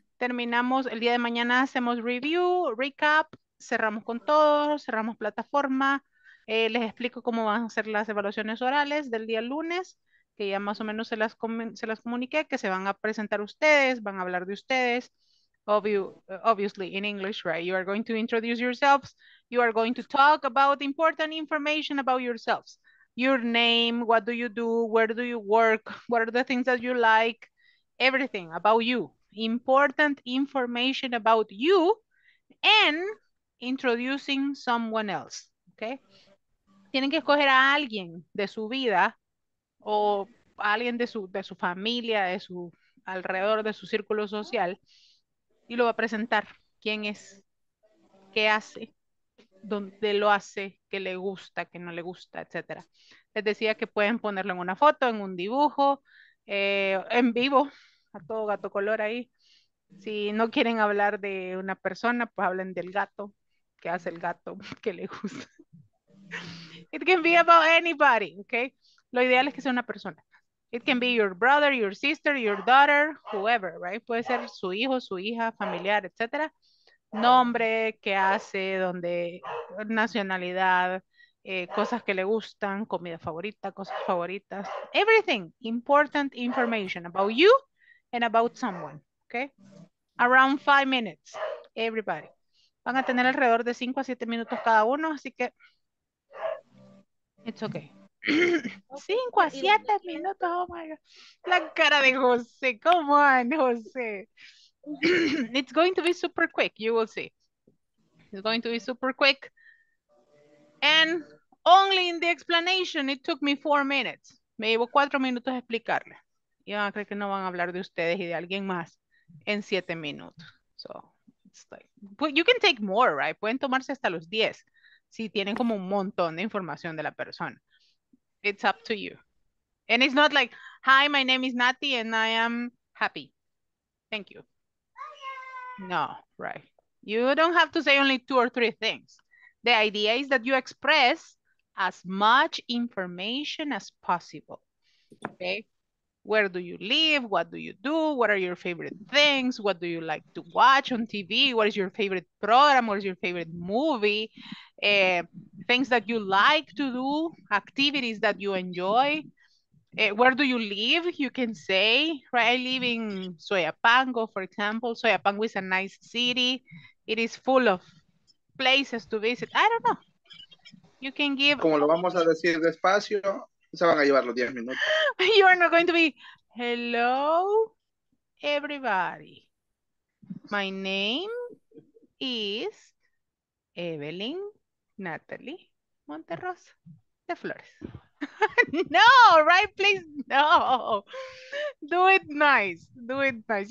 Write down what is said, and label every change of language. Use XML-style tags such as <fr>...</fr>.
<es>Terminamos el día de mañana, hacemos review, recap, cerramos con todos, cerramos plataforma. Les explico cómo van a ser las evaluaciones orales del día lunes, que ya más o menos se las comuniqué, que se van a presentar ustedes, van a hablar de ustedes.</es> <en>Obviously, in English, right? You are going to introduce yourselves. You are going to talk about important information about yourselves. Your name, what do you do, where do you work, what are the things that you like, everything about you. Important information about you and introducing someone else, okay?</en> <es>Tienen que escoger a alguien de su vida o alguien de su familia, de su alrededor, de su círculo social, y lo va a presentar. ¿Quién es? ¿Qué hace? ¿Dónde lo hace? ¿Qué le gusta? ¿Qué no le gusta? Etcétera. Les decía que pueden ponerlo en una foto, en un dibujo, en vivo, a todo gato color ahí. Si no quieren hablar de una persona, pues hablen del gato. ¿Qué hace el gato? ¿Qué le gusta?</es> <en>It can be about anybody, okay?</en> <es>Lo ideal es que sea una persona.</es> <en>It can be your brother, your sister, your daughter, whoever, right?</en> <es>Puede ser su hijo, su hija, familiar, etc. Nombre, qué hace, dónde, nacionalidad, cosas que le gustan, comida favorita, cosas favoritas.</es> <en>Everything, important information about you and about someone, okay? Around 5 minutes, everybody.</en> <es>Van a tener alrededor de 5 a 7 minutos cada uno, así que...</es> <en>It's okay.</en> <es>5 a 7 minutos,</es> <en>oh my God.</en> <es>La cara de José,</es> <en>come on,</en> <es>José.</es> <en>It's going to be super quick, you will see. It's going to be super quick. And only in the explanation, it took me 4 minutes.</en> <es>Me llevo 4 minutos a explicarle. Y van a creer que no van a hablar de ustedes y de alguien más en 7 minutos.</es> <en>So, it's like, you can take more, right?</en> <es>Pueden tomarse hasta los 10. Si tienen como un montón de información de la persona.</es> <en>It's up to you. And it's not like, hi, my name is Nati and I am happy. Thank you. No, right. You don't have to say only 2 or 3 things. The idea is that you express as much information as possible. Okay? Where do you live? What do you do? What are your favorite things? What do you like to watch on TV? What is your favorite program? What is your favorite movie? Things that you like to do, activities that you enjoy. Where do you live? You can say, right? I live in Soyapango, for example. Soyapango is a nice city. It is full of places to visit. I don't know. You can give...</en> <es>Como lo vamos a decir despacio, se van a llevar los 10 minutos.</es> <en>You are not going to be, hello, everybody. My name is Evelyn Natalie Monterrosa de Flores. No, right? Please, no. Do it nice. Do it nice.</en>